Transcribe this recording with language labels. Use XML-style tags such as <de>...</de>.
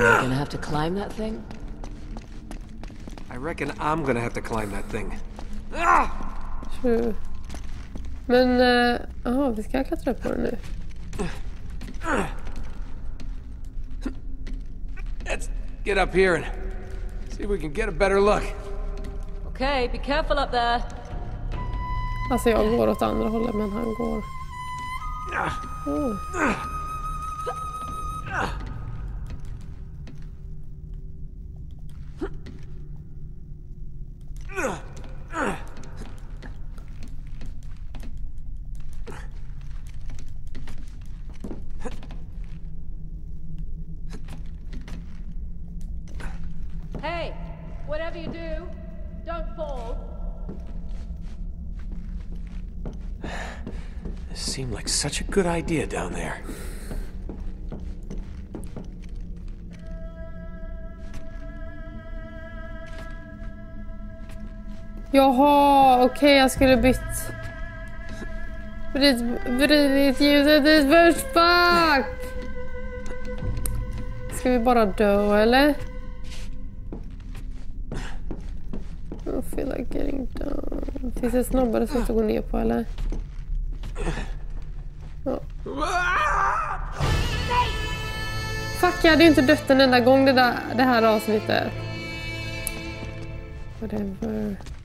<en>You're gonna have to climb that thing? I reckon I'm gonna have to climb that thing. True.</en> <sv>Men, vi ska klättra på den nu.</sv> <en>Let's get up here and see if we can get a better look. Okay, be careful up there.</en> <sv>Alltså, jag går åt andra hållet, men han går.</sv> <en>Hey, whatever you do, don't fall. This seemed like such a good idea down there.</en> <sv>Jaha, okej, jag skulle bytt. Vrid ljuset i spörsback! Ska vi bara dö, eller?</sv> <en>I don't feel like getting down.</en> <sv>Finns det snabbare sätt att gå ner på, eller? Ja. Fuck, jag hade ju inte dött en enda gång det här avsnittet.</sv> <en>Whatever.</en>